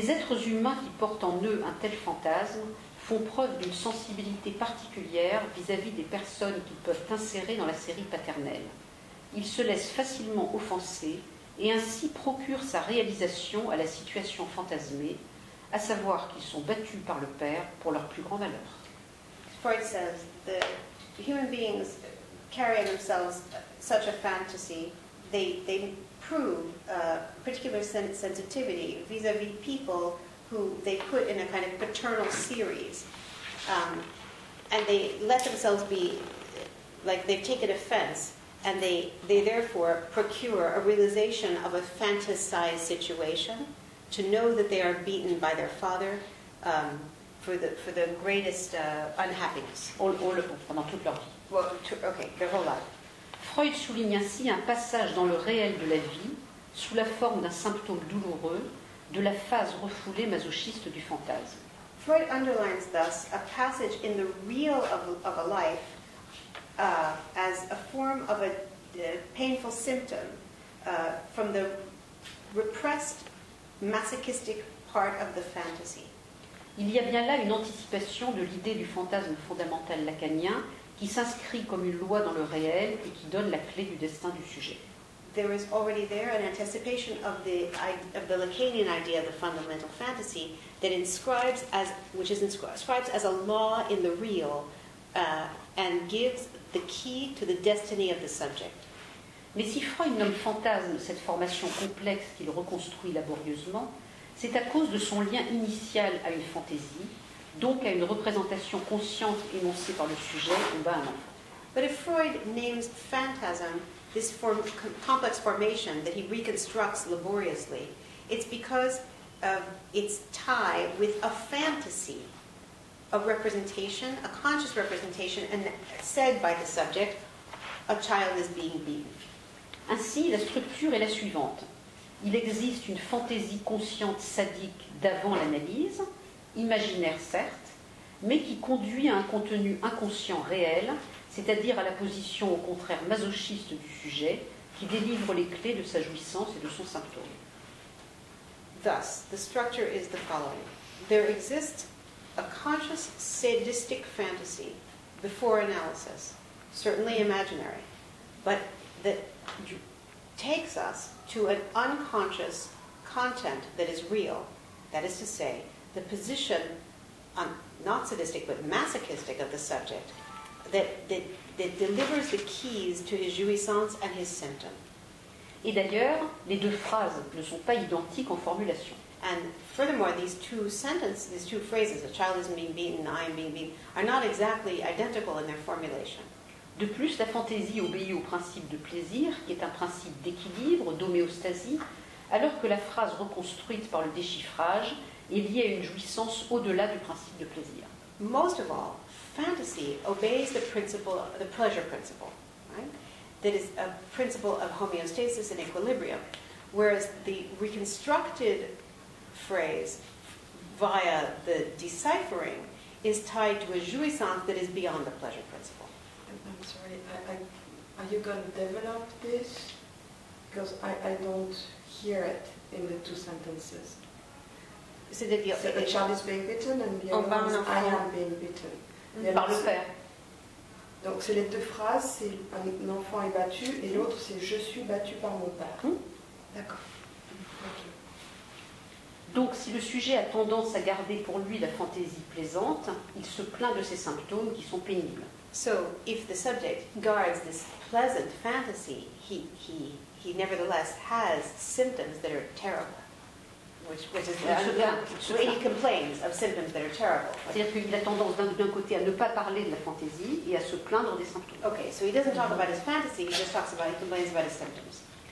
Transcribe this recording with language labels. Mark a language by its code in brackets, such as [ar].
[fr] Des êtres humains qui portent en eux un tel fantasme font preuve d'une sensibilité particulière vis-à-vis des personnes qu'ils peuvent insérer dans la série paternelle. Ils se laissent facilement offenser et ainsi procurent sa réalisation à la situation fantasmée, à savoir qu'ils sont battus par le père pour leur plus grand malheur. [en] Freud says that human beings carry in themselves such a fantasy, they prove a particular sensitivity vis-à-vis people who they put in a kind of paternal series, and they let themselves be, like they've taken offense, and they therefore procure a realization of a fantasized situation, to know that they are beaten by their father, for the greatest unhappiness. All of them, [fr] pendant toute leur vie. [en] Their whole life. [fr] Freud souligne ainsi un passage dans le réel de la vie, sous la forme d'un symptôme douloureux, de la phase refoulée masochiste du fantasme. [en] Freud underlines thus a passage in the real of a life as a form of a painful symptom from the repressed masochistic part of the fantasy. [fr] Il y a bien là une anticipation de l'idée du fantasme fondamental lacanien qui s'inscrit comme une loi dans le réel et qui donne la clé du destin du sujet. [en] There is already there an anticipation of the Lacanian idea of the fundamental fantasy that inscribes as which is inscribes as a law in the real and gives the key to the destiny of the subject. [fr] Mais si Freud nomme fantasme cette formation complexe qu'il reconstruit laborieusement, c'est à cause de son lien initial à une fantaisie, donc à une représentation consciente énoncée par le sujet ou bien un enfant. [en] But if Freud names phantasm this complex formation that he reconstructs laboriously, it's because of its tie with a fantasy, a representation, a conscious representation, and said by the subject, a child is being beaten. [fr] Ainsi, la structure est la suivante. Il existe une fantaisie consciente sadique d'avant l'analyse, imaginaire certes, mais qui conduit à un contenu inconscient réel, c'est-à-dire à la position au contraire masochiste du sujet, qui délivre les clés de sa jouissance et de son symptôme. [en] Thus, the structure is the following. There exists a conscious sadistic fantasy before analysis, certainly imaginary, but that takes us to an unconscious content that is real, that is to say, the position, not sadistic but masochistic of the subject, that delivers the keys to his jouissance and his symptom. [fr] Et d'ailleurs, les deux phrases ne sont pas identiques en formulation. [en] And furthermore, these two sentences, these two phrases, a child is being beaten, I am being beaten, are not exactly identical in their formulation. [fr] De plus, la fantaisie obéit au principe de plaisir, qui est un principe d'équilibre, d'homéostasie, alors que la phrase reconstruite par le déchiffrage est liée à une jouissance au-delà du principe de plaisir. [en] Most of all, fantasy obeys the principle, the pleasure principle, right? That is a principle of homeostasis and equilibrium, whereas the reconstructed phrase via the deciphering is tied to a jouissance that is beyond the pleasure principle. I'm sorry, are you going to develop this? Because I don't hear it in the two sentences. So that the child is being beaten and the other one is, I am being beaten. [fr] Mm-hmm. Par le père. Donc c'est les deux phrases, c'est un enfant est battu et l'autre c'est je suis battu par mon père. Mm-hmm. D'accord. Donc, si le sujet a tendance à garder pour lui la fantaisie plaisante, il se plaint de ses symptômes qui sont pénibles. [en] So, if the subject guards this pleasant fantasy, he nevertheless has symptoms that are terrible. He complains of symptoms that are terrible. [fr] C'est-à-dire qu'il a tendance d'un côté à ne pas parler de la fantaisie et à se plaindre des symptômes. [en] Okay, so he doesn't talk about his fantasy, he just talks about, he complains about his symptoms.